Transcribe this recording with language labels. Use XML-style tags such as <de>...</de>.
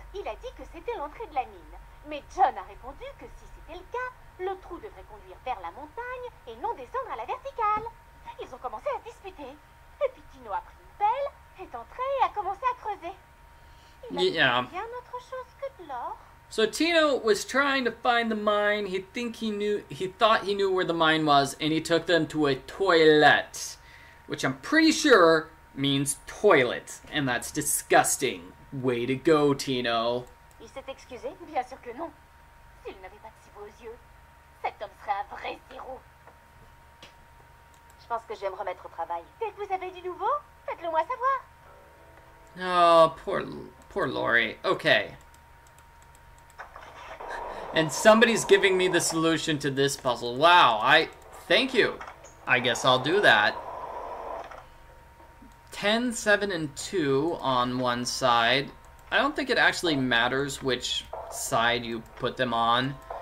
<fr>Il a dit que c'était l'entrée de la mine. Mais John a répondu que si c'était le cas, le trou devrait conduire vers la montagne et non descendre à la verticale. Ils ont commencé à disputer. Et puis Tino a pris une pelle, est entré et a commencé à creuser. Il a bien autre chose que de l'or.</fr> <en>So Tino was trying to find the mine. He thought he knew where the mine was, and he took them to a toilet, which I'm pretty sure means toilet, and that's disgusting. Way to go, Tino.</en> <fr>Il s'est excusé? Bien sûr que non. S'il n'avait pas de si beaux yeux, cet homme serait un vrai zéro. Je pense que je vais me remettre au travail. Dès que vous avez du nouveau, faites-le moi savoir.</fr> <en>Oh, poor Lori. Okay. And somebody's giving me the solution to this puzzle. Wow, thank you. I guess I'll do that. 10, 7, and 2 on one side. I don't think it actually matters which side you put them on.</en>